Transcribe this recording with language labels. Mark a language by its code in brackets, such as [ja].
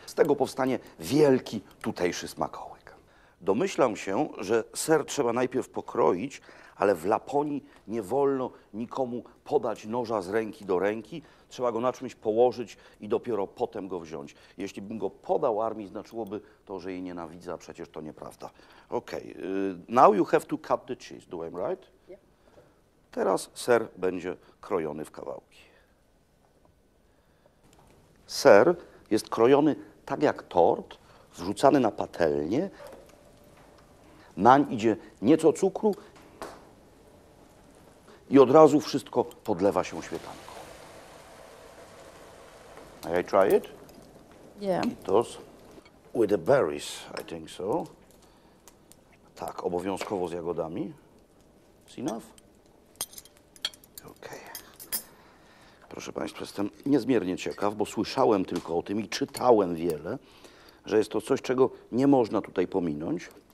[pl] Z tego powstanie wielki tutejszy smakołyk. Domyślam się, że ser trzeba najpierw pokroić, ale w Laponii nie wolno nikomu podać noża z ręki do ręki. Trzeba go na czymś położyć i dopiero potem go wziąć. Jeśli bym go podał Armii, znaczyłoby to, że jej nienawidzę, a przecież to nieprawda. Okej, okay. [en] Now you have to cut the cheese, do I'm right? [pl] Teraz ser będzie krojony w kawałki. Ser jest krojony tak jak tort, wrzucany na patelnię. Nań idzie nieco cukru i od razu wszystko podlewa się śmietanką. [en] May I try it? Yeah. [fi] Kitos. [en] With the berries, I think so. [pl] Tak, obowiązkowo z jagodami. [en] It's enough? Okay. [pl] Proszę Państwa, jestem niezmiernie ciekaw, bo słyszałem tylko o tym i czytałem wiele, że jest to coś, czego nie można tutaj pominąć.